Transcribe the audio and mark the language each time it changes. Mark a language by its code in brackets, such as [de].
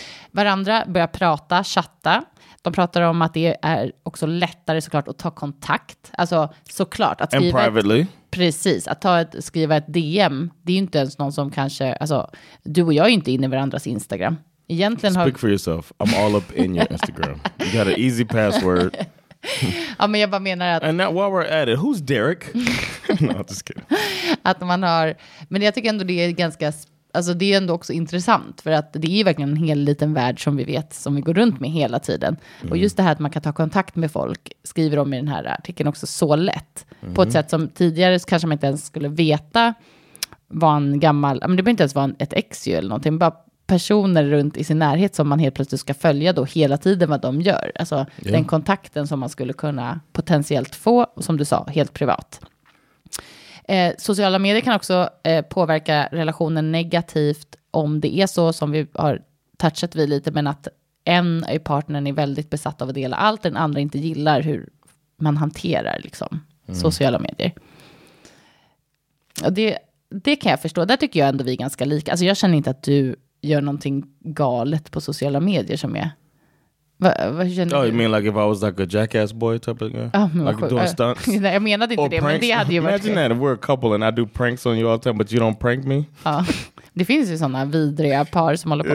[sv] Varandra börjar prata, chatta. De pratar om att det är också lättare såklart att ta kontakt. Alltså såklart att skriva. [en] And privately. [sv] Precis, att skriva ett DM. Det är ju inte ens någon som kanske, alltså du och jag är ju inte inne i varandras Instagram. Egentligen [en] speak [sv] har... [en] for yourself. I'm all up in your Instagram. You got an easy password. [sv] Ja, men jag bara menar att... [en] And now while we're at it, who's Derek? No, I'm just kidding. [sv] Att man har... Men jag tycker ändå det är ganska... Alltså det är ändå också intressant. För att det är verkligen en hel liten värld som vi vet. Som vi går runt med hela tiden. Mm. Och just det här att man kan ta kontakt med folk. Skriver de i den här artikeln också så lätt. Mm. På ett sätt som tidigare så kanske man inte ens skulle veta. Var en gammal... Men det behöver inte ens vara ett ex ju eller någonting. Bara personer runt i sin närhet som man helt plötsligt ska följa då hela tiden vad de gör. Alltså yeah. Den kontakten som man skulle kunna potentiellt få, som du sa, helt privat. Sociala medier kan också påverka relationen negativt om det är så som vi har touchat vid lite, men att en av partnern är väldigt besatt av att dela allt, den andra inte gillar hur man hanterar liksom, sociala medier. Och det kan jag förstå. Där tycker jag ändå vi är ganska lika. Alltså jag känner inte att du gör någonting galet på sociala medier som är... Vad känner du? [en] Oh, you mean like if I was like a jackass boy type of guy? Like doing stunts? [sv] Nej, jag menade inte det, men det hade ju varit... [en] Imagine that, we're a couple and I do pranks on you all the time, but you don't prank me. [sv] Ja, det finns ju sådana vidriga par som håller på.